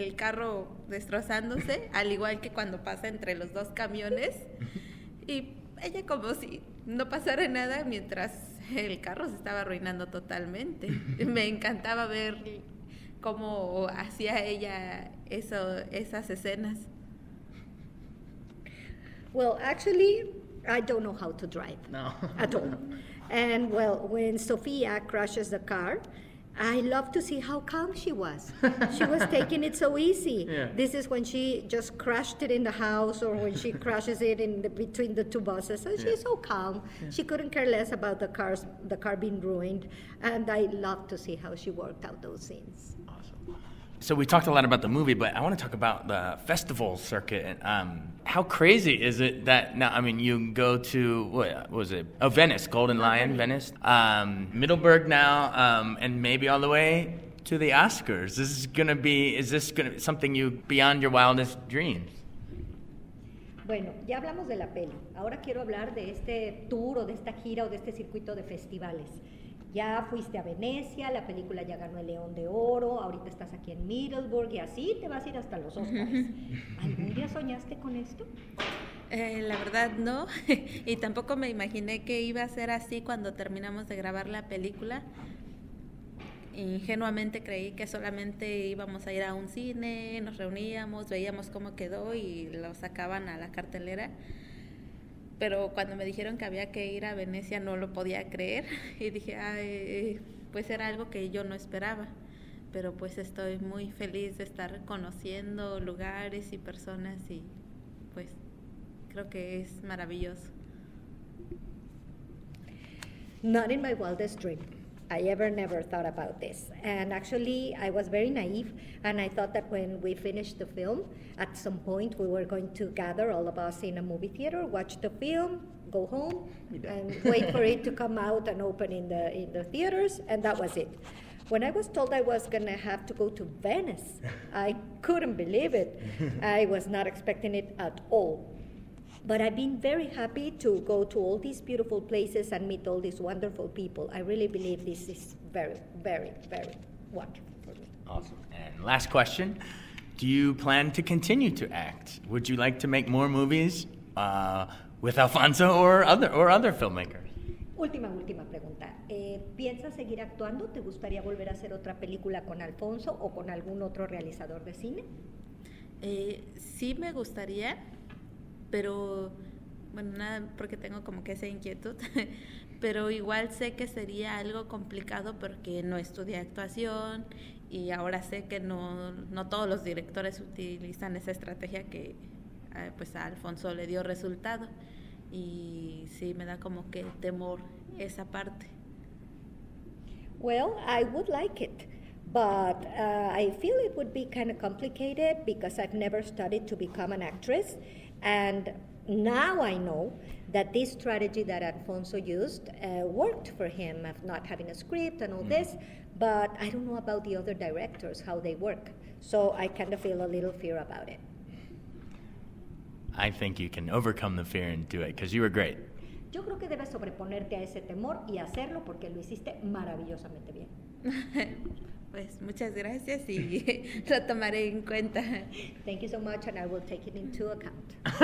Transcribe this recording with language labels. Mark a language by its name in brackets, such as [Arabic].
[Spanish] El carro destrozándose, al igual que cuando pasa entre los dos camiones, y ella como si no pasara nada mientras el carro se estaba arruinando totalmente. Me encantaba ver cómo hacía ella esas escenas. [English] Well, actually, I don't know how to drive. No. At all. And well, when Sofía crashes the car, I love to see how calm she was. She was taking it so easy. Yeah. This is when she just crashed it in the house, or when she crashes it in the, between the two buses. And she's so calm. Yeah. She couldn't care less about the car being ruined. And I love to see how she worked out those scenes. Awesome. So we talked a lot about the movie, but I want to talk about the festival circuit. How crazy is it that now, I mean, you go to, Venice, Golden Lion, Venice, Middleburg now, and maybe all the way to the Oscars. Is this going to be something you, beyond your wildest dreams? [Spanish] Bueno, ya hablamos de la peli. Ahora quiero hablar de este tour, o de esta gira, o de este circuito de festivales. Ya fuiste a Venecia, la película ya ganó el León de Oro, ahorita estás aquí en Middleburg y así te vas a ir hasta los Oscars. ¿Algún día soñaste con esto? La verdad no, y tampoco me imaginé que iba a ser así cuando terminamos de grabar la película. Ingenuamente creí que solamente íbamos a ir a un cine, nos reuníamos, veíamos cómo quedó y lo sacaban a la cartelera. Pero cuando me dijeron que había que ir a Venecia, no lo podía creer. Y dije, pues era algo que yo no esperaba. Pero pues estoy muy feliz de estar conociendo lugares y personas. Y pues creo que es maravilloso. [English] Not in my wildest dream. I ever never thought about this. And actually, I was very naive. And I thought that when we finished the film, at some point, we were going to gather all of us in a movie theater, watch the film, go home, and wait for it to come out and open in the theaters. And that was it. When I was told I was going to have to go to Venice, I couldn't believe it. I was not expecting it at all. But I've been very happy to go to all these beautiful places and meet all these wonderful people. I really believe this is very, very, very wonderful for me. Awesome. And last question. Do you plan to continue to act? Would you like to make more movies with Alfonso or other filmmakers? [Spanish] Última pregunta. ¿Piensas seguir actuando? ¿Te gustaría volver a hacer otra película con Alfonso o con algún otro realizador de cine? Sí me gustaría. Pero, bueno, nada, porque tengo como que esa inquietud, pero igual sé que sería algo complicado porque no estudié actuación y ahora sé que no todos los directores utilizan esa estrategia que pues a Alfonso le dio resultado. Y sí, me da como que temor esa parte. [English] Well, I would like it, but I feel it would be kind of complicated because I've never studied to become an actress. And now I know that this strategy that Alfonso used worked for him, of not having a script and all this, but I don't know about the other directors, how they work. So I kind of feel a little fear about it. I think you can overcome the fear and do it, because you were great. [Spanish] Yo creo que debes sobreponerte a ese temor y hacerlo porque lo hiciste maravillosamente bien. Pues muchas gracias y lo tomaré en cuenta. [English] Thank you so much and I will take it into account.